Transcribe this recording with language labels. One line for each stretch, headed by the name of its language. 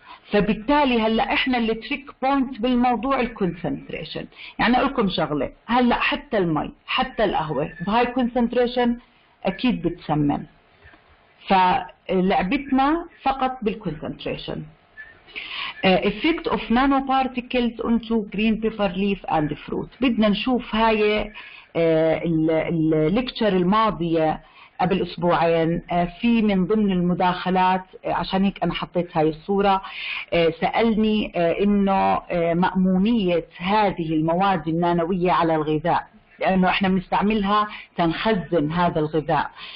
Arabic: فبالتالي هلأ إحنا اللي تريك بوينت بالموضوع الكونسنتريشن. يعني أقولكم شغلة، هلأ حتى المي حتى القهوة بهاي كونسنتريشن أكيد بتسمم، فلعبتنا فقط بالكونسنتريشن.
English: Effect of nanoparticles onto green pepper leaf and fruit.
Arabic: بدنا نشوف هاي الليكتشر الماضية قبل أسبوعين، في من ضمن المداخلات، عشان هيك أنا حطيت هاي الصورة، سألني إنه مأمونية هذه المواد النانوية على الغذاء، لأنه إحنا بنستعملها تنخزن هذا الغذاء.